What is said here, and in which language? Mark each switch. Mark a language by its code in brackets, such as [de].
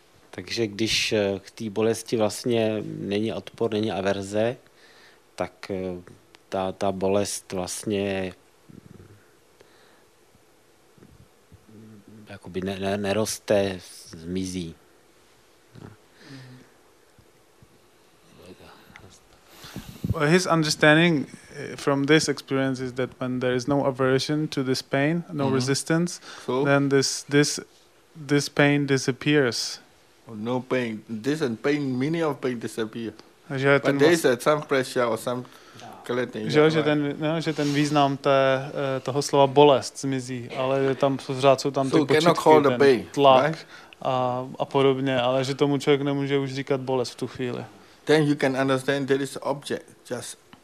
[cs] Takže když k té bolesti vlastně není odpor, není averze, tak ta bolest vlastně jakoby neroste, zmizí. [en] Well, his understanding from this experience is that when there is no aversion to this pain, no resistance, so? Then this pain disappears. No pain. This and pain, meaning of pain disappear. But there is some pressure or some collecting. [cs] Že ten význam toho slova bolest zmizí, ale je tam pořád jsou tam ty počítky, ten [en] pain, [cs] tlak [en] right? [cs] a podobně, ale že tomu člověk nemůže už říkat bolest v tu chvíli. [en] Then you can understand there is object, just